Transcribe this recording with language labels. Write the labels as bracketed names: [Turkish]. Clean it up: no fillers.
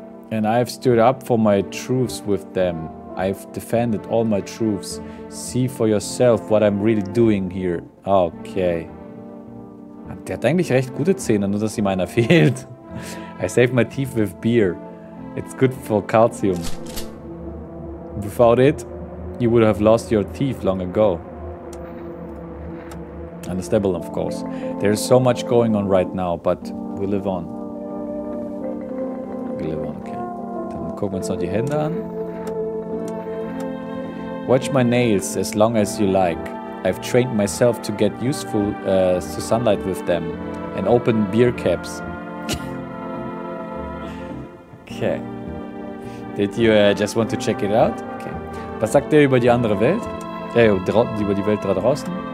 [English] And I've stood up for my truths with them. I've defended all my truths. See for yourself what I'm really doing here. Okay. [German] Der hat eigentlich recht gute Zähne, nur dass ihm einer fehlt. [English] I save my teeth with beer. It's good for calcium. Without it, you would have lost your teeth long ago. Understandable, of course. There's so much going on right now, but we live on. We live on, okay. [German] Dann gucken wir uns noch die Hände an. [English] Watch my nails as long as you like. I've trained myself to get useful to sunlight with them and open beer caps. Okay. Did you just want to check it out? [German] Okay. Was sagt er über die andere Welt? Über die Welt da draußen?